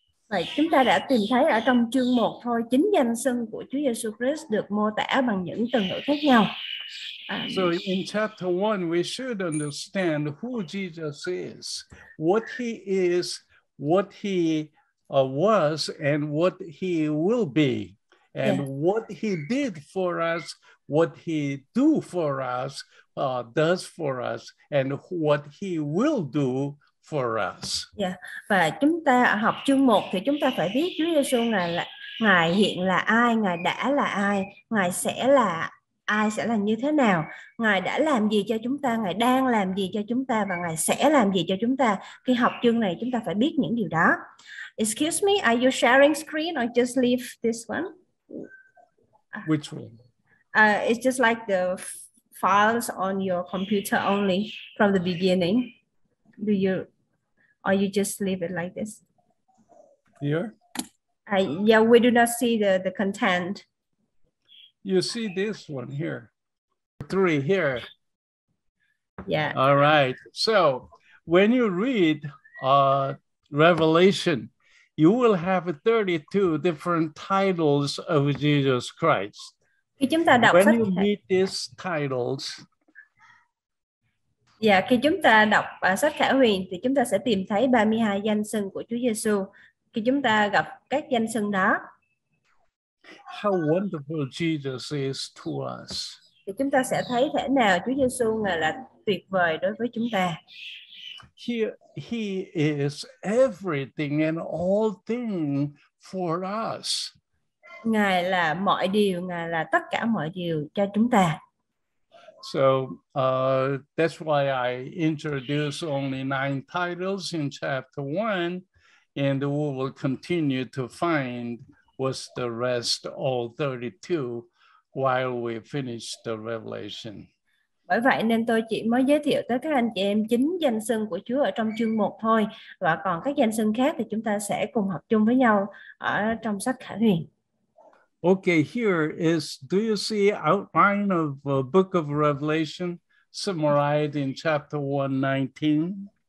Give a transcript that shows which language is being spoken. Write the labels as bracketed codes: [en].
[vi] Vậy chúng ta đã tìm thấy ở trong chương 1 thôi, 9 danh xưng của Chúa Jesus Christ được mô tả bằng những từ ngữ khác nhau. [en] So in chapter 1, we should understand who Jesus is, what he is, what he was, and what he will be, and what he did for us, what he do for us, does for us, and what he will do for us. Yeah. [vi] Và chúng ta học chương 1 thì chúng ta phải biết Chúa Giêsu Ngài hiện là ai, Ngài đã là ai, Ngài sẽ là ai, sẽ là như thế nào, Ngài đã làm gì cho chúng ta, Ngài đang làm gì cho chúng ta và Ngài sẽ làm gì cho chúng ta. Khi học chương này chúng ta phải biết những điều đó. [en] Excuse me, are you sharing screen or just leave this one? Which one? It's just like the files on your computer only from the beginning. Do you, or you just leave it like this? Here? We do not see the content. You see this one here. 3 here. Yeah. All right. So when you read Revelation, you will have 32 different titles of Jesus Christ. [vi] chúng ta đọc [en] When [vi] sách [en] you meet these titles, [vi] dạ, khi chúng ta đọc sách Khải Huyền thì chúng ta sẽ tìm thấy 32 danh xưng của Chúa Giêsu. Khi chúng ta gặp các danh xưng đó, [en] how wonderful Jesus is to us. [vi] Thì chúng ta sẽ thấy thế nào Chúa Giêsu ngài là tuyệt vời đối với chúng ta. [en] He is everything and all things for us. [vi] Ngài là mọi điều, ngài là tất cả mọi điều cho chúng ta. [en] So that's why I introduce only 9 titles in chapter 1, and we will continue to find what's the rest, all 32, while we finish the Revelation. [vi] Bởi vậy nên tôi chỉ mới giới thiệu tới các anh chị em 9 danh xưng của Chúa ở trong chương 1 thôi, và còn các danh xưng khác thì chúng ta sẽ cùng học chung với nhau ở trong sách Khải Huyền. [en] Okay, here is, do you see outline of a book of Revelation summarized in chapter 1:19?